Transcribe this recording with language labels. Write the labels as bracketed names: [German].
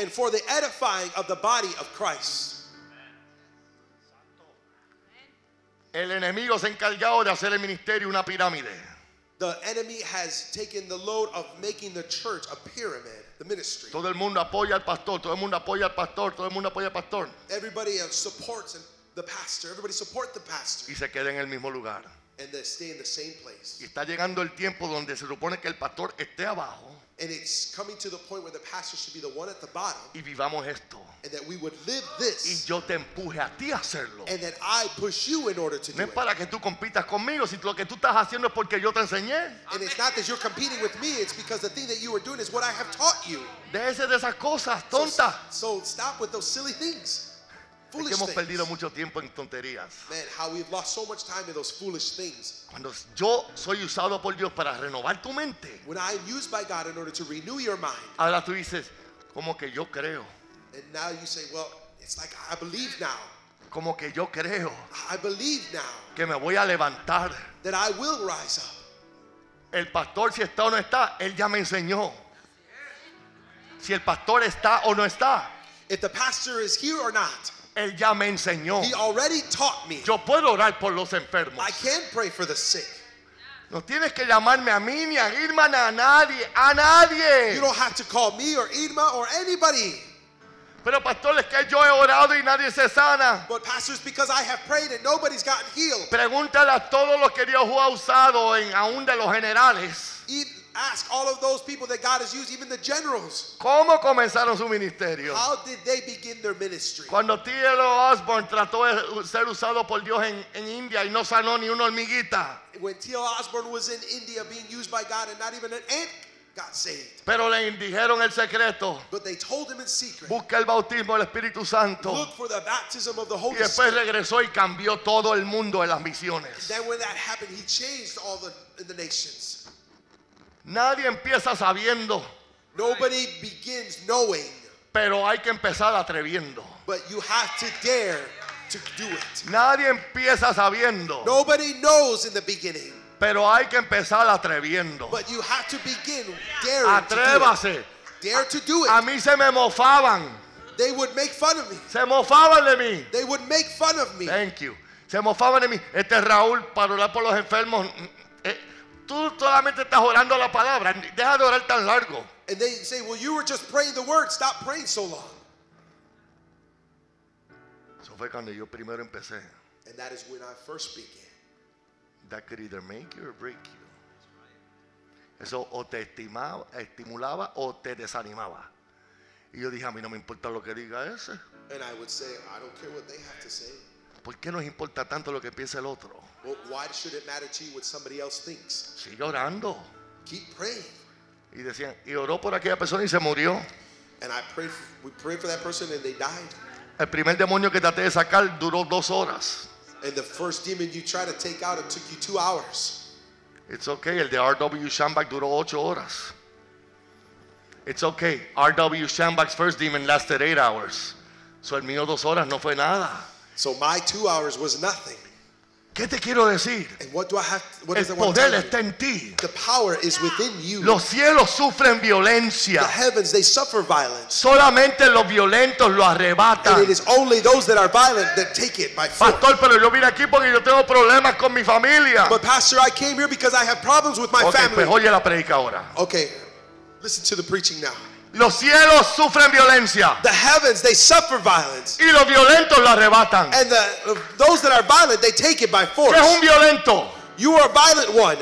[English] And for the edifying of the body of Christ. [Spanish] El enemigo se ha encargado de hacer el ministerio una pirámide. [English] The enemy has taken the load of making the church a pyramid, the ministry. [Spanish] Todo el mundo apoya al pastor, todo el mundo apoya al pastor, todo el mundo apoya al pastor. [English] Everybody supports the pastor, everybody support the pastor. [Spanish] Y se queda en el mismo lugar. [English] And they stay in the same place. [Spanish] Y está llegando el tiempo donde se supone que el pastor esté abajo. [English] And it's coming to the point where the pastor should be the one at the bottom. [Spanish] Y vivamos esto. [English] And that we would live this. [Spanish] Y yo te empuje a ti a hacerlo. [English] And that I push you in order to [Spanish] no [English] do it. [Spanish] No para que tú compitas conmigo, si lo que tú estás haciendo es porque yo te enseñé. [English] And it's not that you're competing with me, it's because the thing that you are doing is what I have taught you. [Spanish] Déjese de esas cosas tontas. [English] So stop with those silly things. [Spanish] Es que hemos perdido mucho tiempo en tonterías. [English] Man, how we've lost so much time in those foolish things. [Spanish] Cuando yo soy usado por Dios para renovar tu mente. [English] When I am used by God in order to renew your mind. [Spanish] Ahora tú dices, como que yo creo. [English] And now you say, well, it's like I believe now. [Spanish] Como que yo creo. [English] I believe now. [Spanish] Que me voy a levantar. [English] That I will rise up. [Spanish] El pastor, si está o no está, él ya me enseñó. Si el pastor está o no está. [English] If the pastor is here or not. [Spanish] Él ya me enseñó. [English] He already taught me. [Spanish] Yo puedo orar por los enfermos. [English] I can pray for the sick. [Spanish] No tienes que llamarme a mí ni a Irma ni a nadie, a nadie. [English] You don't have to call me or Irma or anybody. [Spanish] Pero pastor, es que yo he orado y nadie se sana. [English] But pastors, because I have prayed and nobody's gotten healed. [Spanish] Pregúntale a todos los que Dios ha usado en aún de los generales. [English] Ask all of those people that God has used, even the generals. [Spanish] ¿Cómo comenzaron su ministerio? [English] How did they begin their ministry? [Spanish] Cuando T.L. Osborne trató de ser usado por Dios en India y no sanó ni una hormiguita. [English] When T.L. Osborne was in India being used by God and not even an ant got saved. [Spanish] Pero le indijeron el secreto. [English] But they told him in secret. [Spanish] Busca el bautismo del Espíritu Santo. [English] Look for the baptism of the Holy [Spanish] y después [English] Spirit. [Spanish] Regresó y cambió todo el mundo de las misiones. [English] And then when that happened, he changed all the nations. [Spanish] Nadie empieza sabiendo. [English] Nobody right. begins knowing. [Spanish] Pero hay que empezar atreviendo. [English] But you have to dare to do it. [Spanish] Nadie empieza sabiendo. [English] Nobody knows in the beginning. [Spanish] Pero hay que empezar atreviendo. [English] But you have to begin daring. [Spanish] Atrévase. [English] To do it. Dare to do it. [Spanish] A mí se me mofaban. [English] They would make fun of me. [Spanish] Se mofaban de mí. [English] They would make fun of me. Thank you. [Spanish] Se mofaban de mí. Este Raúl para orar por los enfermos. Tú solamente estás orando la palabra. Deja de orar tan largo. [English] And they say, well, you were just praying the word. Stop praying so long. [Spanish] Eso fue cuando yo primero empecé. [English] And that is when I first began. That could either make you or break you. [Spanish] Eso o te estimulaba o te desanimaba. Y yo dije, a mí no me importa lo que diga ese. [English] And I would say, I don't care what they have to say. [Spanish] ¿Por qué nos importa tanto lo que piensa el otro? [English] Well, why should it matter to you what somebody else thinks? [Spanish] Sigue orando. [English] Keep praying. [Spanish] Y decían, y oró por aquella persona y se murió. [English] And I prayed for, we prayed for that person and they died. [Spanish] El primer demonio que traté de sacar duró 2 horas. [English] And the first demon you tried to take out, it took you 2 hours. It's okay. [Spanish] El de R.W. Shambach duró 8 horas. It's okay. R.W. [English] Shambach's first demon lasted 8 hours. So [Spanish] el mío 2 horas no fue nada. [English] So my 2 hours was nothing. [Spanish] ¿Qué te quiero decir? [English] And what do I have to, what [Spanish] el [English] is the [Spanish] poder [English] one [Spanish] está en ti. [English] The power is within you. [Spanish] Los cielos sufren violencia. [English] The heavens, they suffer violence. [Spanish] Solamente los violentos lo arrebatan. [English] And it is only those that are violent that take it by force. [Spanish] Pastor, pero yo vine aquí porque yo tengo problemas con mi familia. [English] But pastor, I came here because I have problems with my okay, family. [Spanish] Pues oye la predica ahora. [English] Okay, listen to the preaching now. [Spanish] Los cielos sufren violencia. [English] The heavens, they suffer violence. [Spanish] Y los violentos lo arrebatan. [English] And the, those that are violent, they take it by force. [Spanish] ¿Qué es un violento? [English] You are a violent one.